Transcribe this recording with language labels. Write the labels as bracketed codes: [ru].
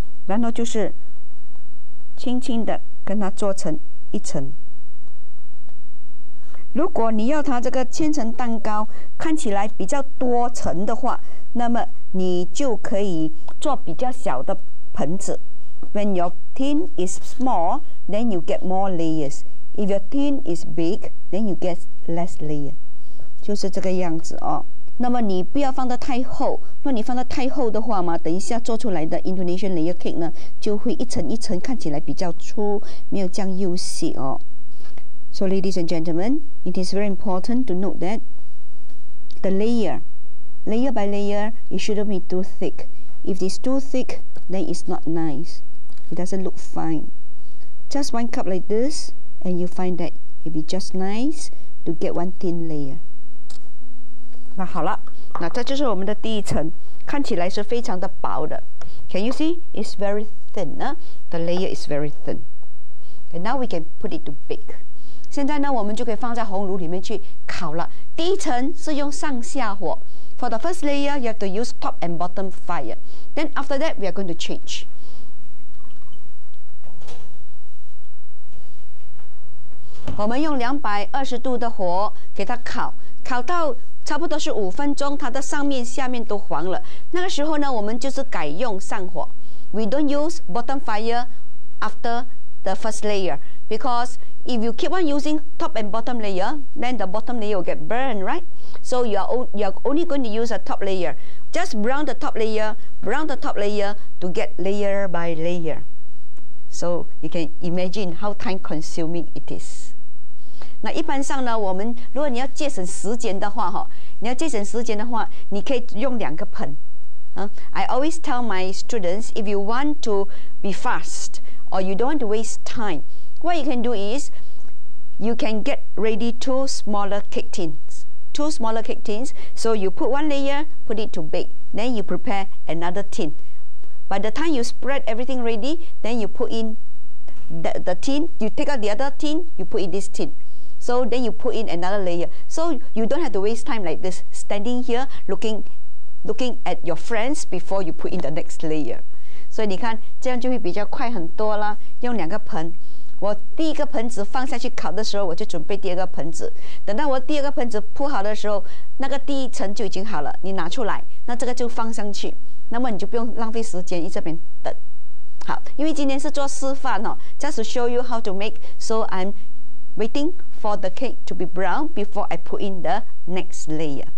[zh] 然后就是轻轻的跟它做成一层。如果你要它这个千层蛋糕看起来比较多层的话，那么你就可以做比较小的盆子。 [en] When your tin is small, then you get more layers. If your tin is big, then you get less layers. [zh] 就是这个样子哦。那么你不要放得太厚，如果你放得太厚的话嘛，等一下做出来的 Indonesian layer cake 呢，就会一层一层看起来比较粗，没有这样又细哦。 [en] So ladies and gentlemen, it is very important to note that the layer by layer, it shouldn't be too thick. If it's too thick, then it's not nice. It doesn't look fine. Just one cup like this, and you find that it'd be just nice to get one thin layer. [zh] 那好了，那这就是我们的第一层，看起来是非常的薄的。 [en] Can you see? It's very thin. The layer is very thin. And now we can put it to bake. [zh] 现在呢，我们就可以放在红炉里面去烤了。第一层是用上下火 ， [en] for the first layer you have to use top and bottom fire. Then after that we are going to change. [zh] We 们用220度的火给它烤，烤到差不多是5分钟，它的上面下面都黄了。那个时候呢，我们就是改用上火 ， [en] we don't use bottom fire after the first layer because. If you keep on using top and bottom layer, then the bottom layer will get burned, right? So you are only going to use a top layer. Just brown the top layer, brown the top layer to get layer by layer. So you can imagine how time consuming it is. [zh] 那一般上呢，我们如果你要节省时间的话，你要节省时间的话，你可以用两个盆。 [en] I always tell my students, if you want to be fast or you don't want to waste time. What you can do is, you can get ready two smaller cake tins. So you put one layer, put it to bake. Then you prepare another tin. By the time you spread everything ready, then you put in the tin. You take out the other tin, you put in this tin. So then you put in another layer. So you don't have to waste time like this, standing here looking at your friends before you put in the next layer. [zh] 所以你看，这样就会比较快很多啦。用两个盆。我第一个盆子放下去烤的时候，我就准备第二个盆子。等到我第二个盆子铺好的时候，那个第一层就已经好了。你拿出来，那这个就放上去，那么你就不用浪费时间在这边等。好，因为今天是做示范哦 ， [en] just to show you how to make. So I'm waiting for the cake to be brown before I put in the next layer.